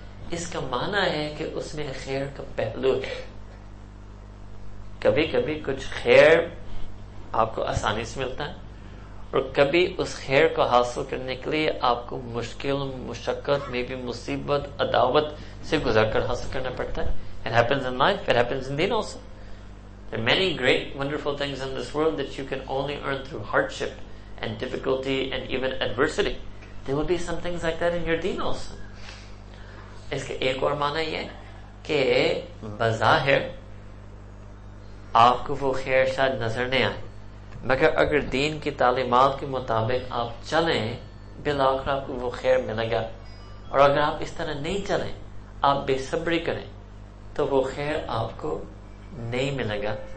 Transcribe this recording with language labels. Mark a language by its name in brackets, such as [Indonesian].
[Urdu] اس کا معنی ہے کہ اس میں خیر کا پہلو ہے. کبھی کبھی کچھ خیر آپ کو آسانی سے ملتا ہے, اور کبھی اس خیر کو حاصل کرنے کے لیے آپ کو مشکل, مشقت, میں بھی مصیبت, عداوت سے گزر کر حاصل کرنا پڑتا ہے. [English] It happens in life, it happens in deen also. There are many great, wonderful things in this world that you can only earn through hardship and difficulty and even adversity. There will be some things like that in your deen also. [Urdu] اس کے ایک اور معنی یہ کہ بظاہر آپ کو وہ خیر شاید نظر نہیں آئے, مگر اگر دین کی تعلیمات کے مطابق آپ چلیں بالآخر آپ کو وہ خیر ملے گا, اور اگر آپ اس طرح نہیں چلیں, آپ بے صبری کریں, تو وہ خیر آپ کو نہیں ملے گا.